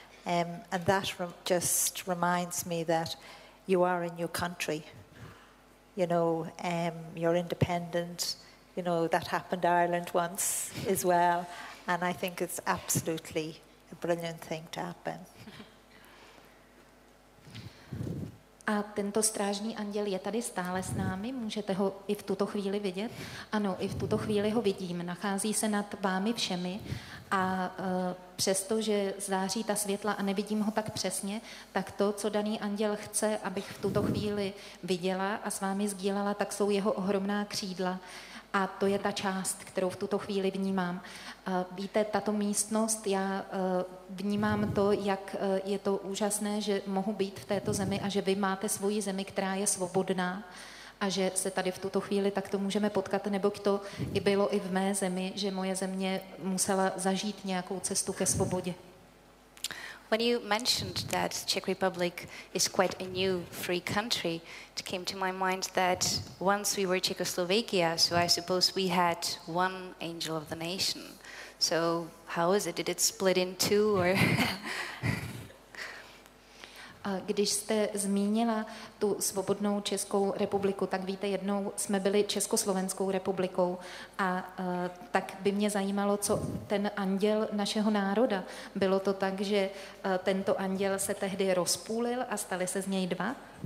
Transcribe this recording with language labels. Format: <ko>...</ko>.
<en>And that just reminds me that you are in your country. You know, you're independent. You know, that happened to Ireland once as well. And I think it's absolutely a brilliant thing to happen.</en> <cs>A tento strážný anděl je tady stále s námi, můžete ho i v tuto chvíli vidět? Ano, i v tuto chvíli ho vidím, nachází se nad vámi všemi a přesto, že září ta světla a nevidím ho tak přesně, tak to, co daný anděl chce, abych v tuto chvíli viděla a s vámi sdílela, tak jsou jeho ohromná křídla. A to je ta část, kterou v tuto chvíli vnímám. Víte, tato místnost, já vnímám to, jak je to úžasné, že mohu být v této zemi a že vy máte svoji zemi, která je svobodná a že se tady v tuto chvíli takto můžeme potkat, nebo to i bylo i v mé zemi, že moje země musela zažít nějakou cestu ke svobodě.</cs> <en>When you mentioned that Czech Republic is quite a new free country, it came to my mind that once we were Czechoslovakia, so I suppose we had one angel of the nation. So how is it? Did it split in two? Or</en> <cs>když jste zmínila tu svobodnou Českou republiku, tak víte, jednou jsme byli Československou republikou a tak by mě zajímalo, co ten anděl našeho národa. Bylo to tak, že tento anděl se tehdy rozpůlil a stali se z něj dva?</cs>